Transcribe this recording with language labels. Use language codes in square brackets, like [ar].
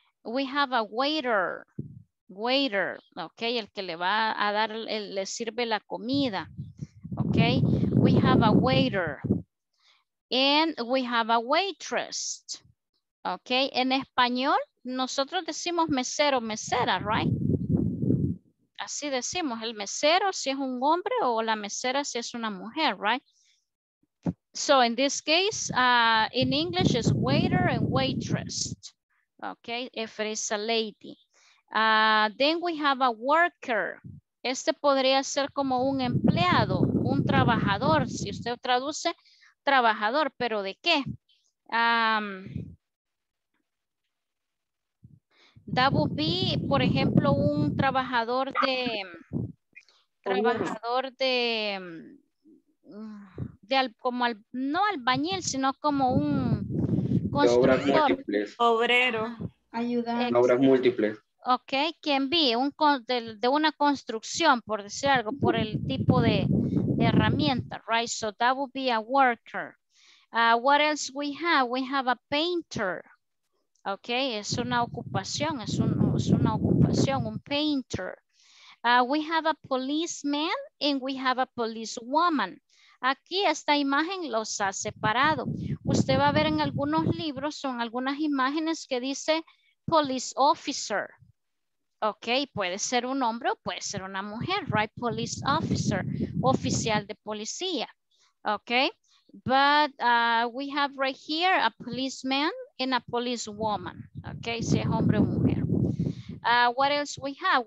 [en] We have a waiter, [es] okay, el que le va a dar, le sirve la comida, okay. [en] We have a waiter, and we have a waitress, okay. [es] En español, nosotros decimos mesero, mesera, right? Así decimos, el mesero si es un hombre o la mesera si es una mujer, right? [en] So in this case, in English is waiter and waitress, okay, if it is a lady. Then we have a worker. [es] Este podría ser como un empleado, un trabajador, si usted traduce trabajador, pero ¿de qué? [en] That would be, [es] por ejemplo, un trabajador, no albañil, sino como un constructor. De obras múltiples. Obrero. Ayudante. Obras múltiples. Ok, can be, de una construcción, por decir algo, por el tipo de herramienta, right? [en] So that would be a worker. What else we have? We have a painter. Okay, [es] es una ocupación, [en] un painter. We have a policeman and we have a policewoman. [es] Aquí esta imagen los ha separado. Usted va a ver en algunos libros, son algunas imágenes que dice police officer. Okay, puede ser un hombre o puede ser una mujer, right? [en] Police officer, [es] oficial de policía. [en] Okay, but we have right here a policeman and a policewoman, okay, [es] si es hombre o mujer. [en] What else we have?